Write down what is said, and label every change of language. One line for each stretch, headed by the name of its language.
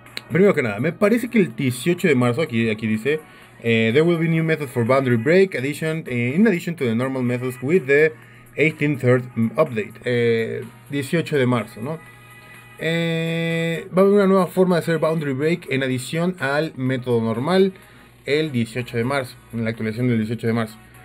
Spanish: Primero que nada, me parece que el 18 de marzo, aquí dice.
English: There will be new methods for boundary break addition, in addition to the normal methods with the 18th update.
Spanish: 18 de marzo, ¿no? Va a haber una nueva forma de hacer boundary break en adición al método normal el 18 de marzo, en la actualización del 18 de marzo.